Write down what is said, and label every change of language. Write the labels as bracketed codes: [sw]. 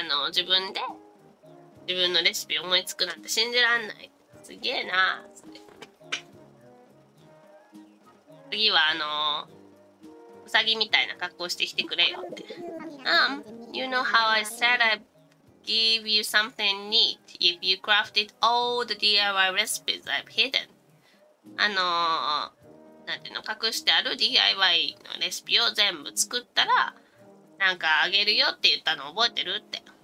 [ja] 自分で自分のレシピ思いつくなんて信じらんない。すげえなーって。次はウサギみたいな格好してきてくれよって。 [en] You know how I said I'd give you something neat if you crafted all the DIY recipes I've hidden? [ja] なんていうの、隠してある DIY のレシピを全部作ったら、なんかあげるよって言ったの覚えてるって。